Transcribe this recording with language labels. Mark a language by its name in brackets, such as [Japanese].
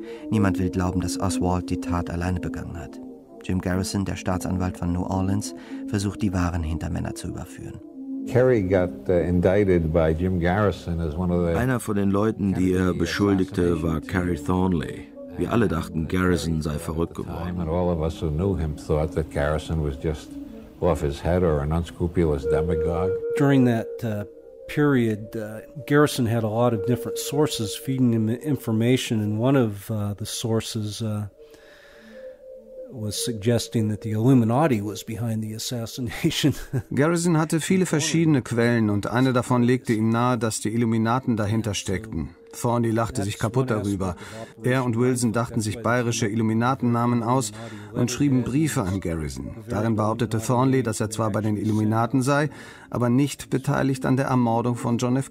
[German] Niemand will glauben, dass Oswald die Tat alleine begangen hat. Jim Garrison, der Staatsanwalt von New Orleans, versucht, die wahren Hintermänner zu überführen. Einer von den Leuten, die er beschuldigte, war Cary Thornley. Wir alle dachten, Garrison sei verrückt geworden. [English] During that period, Garrison had a lot of different sources feeding him information, and one of the sources was suggesting that the Illuminati was behind the assassination. [German] Garrison hatte viele verschiedene Quellen und eine davon legte ihm nahe, dass die Illuminaten dahinter steckten. Thorny lachte sich kaputt darüber. Er und Wilson dachten sich bayerische Illuminatennamen aus und schrieben Briefe an Garrison. Darin behauptete Thornley, dass er zwar bei den Illuminaten sei, aber nicht beteiligt an der Ermordung von John F.